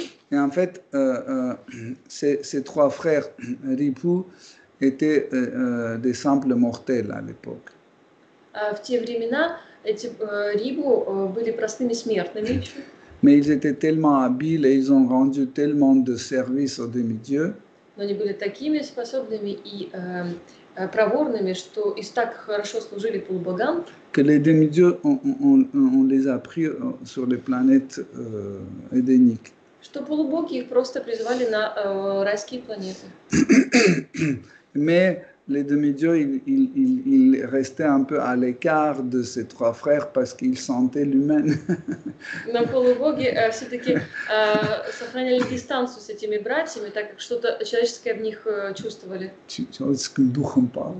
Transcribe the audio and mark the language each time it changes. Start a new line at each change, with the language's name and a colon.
French: Et en fait, ces trois frères Ribhu étaient des simples mortels à l'époque.
Russian: В те времена эти Рибу были простыми смертными.
French: Mais ils étaient tellement habiles et ils ont rendu tellement de services aux demi-dieux.
Russian: Но они были такими способными и проворными, что и так хорошо служили полубогам.
French: Que les demi-dieux on les a pris sur les planètes édéniques.
Russian: Что полубоги их просто призвали на райские планеты.
French: Mais les demi-dieux, ils restaient un peu à l'écart de ces trois frères parce qu'ils sentaient l'humain.
Russian: Но полубоги все-таки сохраняли дистанцию с этими братьями, так как что-то человеческое в них чувствовали. Человеческим духом пал.